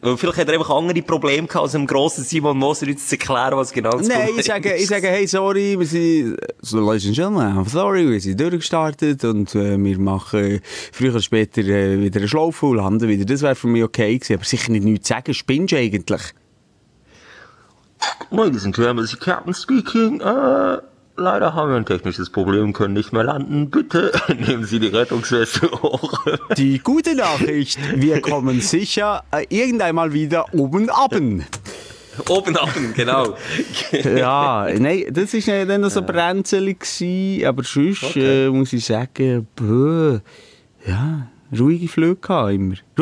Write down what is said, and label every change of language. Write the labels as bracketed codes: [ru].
[de] Weil vielleicht hat er einfach andere Probleme gehabt, als einem grossen Simon Moser jetzt zu erklären, was genau das Problem ist. Nein, ich sage, hey, sorry, wir sind, so, [en] ladies and gentlemen, [de] sorry, wir sind durchgestartet und wir machen früher oder später wieder eine Schlaufe und landen wieder. Das wäre für mich okay gewesen, aber sicher nicht nichts zu sagen. Spinnst du eigentlich? [en] Ladies and gentlemen, this is Captain speaking. [de] Leider haben wir ein technisches Problem, können nicht mehr landen. Bitte nehmen Sie die Rettungsweste hoch. Die gute Nachricht, wir kommen sicher irgendeinmal wieder oben abend. Oben abend, genau. Ja, nein, das war nicht dann so brenzelig gewesen, aber sonst muss ich sagen, ja, ruhige Flüge hatte immer.